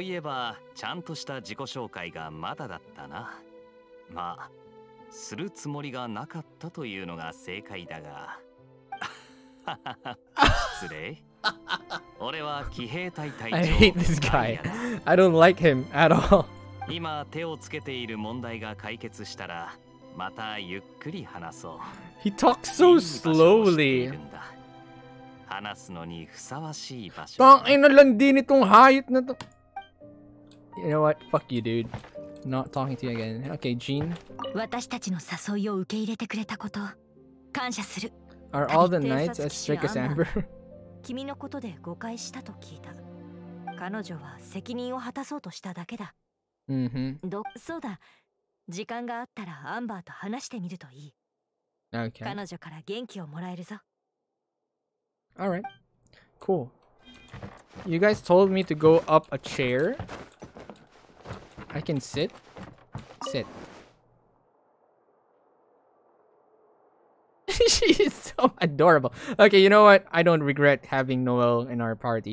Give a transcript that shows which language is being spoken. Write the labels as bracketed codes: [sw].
[ja] yeah, するつもりがなかったというのが正解だが失礼俺は騎兵隊隊長 [en] I hate this guy I don't like him at all [ja] 今手をつけている問題が解決したらまたゆっくり話そう [en] He talks so slowly [ja] 話すのにふさわしい場所 [tl] Bang! Ina lang din itong hayot na to [en] You know what? Fuck you, dudeNot talking to you again. Okay, Jean. [ja] 私たちの誘いを受け入れてくれたこと、感謝する。 [en] Are all the knights as strict as Amber? [ja] 君のことで誤解したと聞いた。彼女は責任を果たそうとしただけだ。そうだ。時間があったらアンバーと話してみるといい。 [en] Okay. [ja] 彼女から元気をもらえるぞ。 [en] All right. Cool. You guys told me to go up a chair. I can sit. Sit. She is so adorable. Okay, you know what? I don't regret having Noelle in our party.